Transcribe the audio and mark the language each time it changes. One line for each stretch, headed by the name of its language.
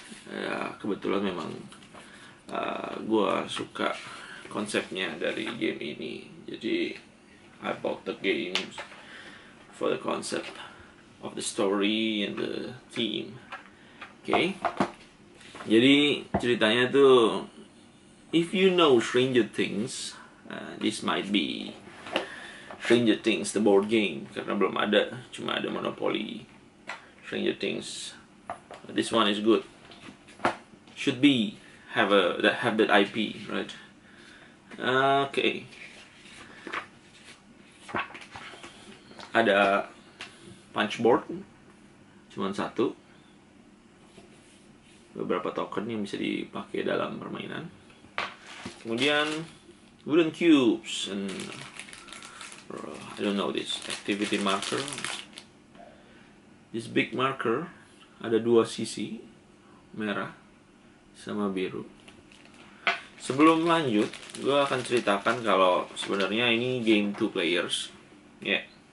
Indonesian: Ya kebetulan memang gua suka konsepnya dari game ini.
English: Jadi I bought the game for the concept of the story and the theme. Oke, okay.
Indonesian: Jadi ceritanya tuh,
English: if you know Stranger Things, this might be Stranger Things the board game,
Indonesian: karena belum ada, cuma ada
English: Monopoly, Stranger Things, this one is good, should be, have that IP, right? Oke, okay.
Indonesian: Ada punch board, cuma satu. Beberapa token yang bisa dipakai dalam permainan.
English: Kemudian wooden cubes and I don't know this activity marker. This big marker
Indonesian: ada dua sisi, merah sama biru. Sebelum lanjut, gua akan ceritakan kalau sebenarnya ini game 2 players. Ya. Yeah.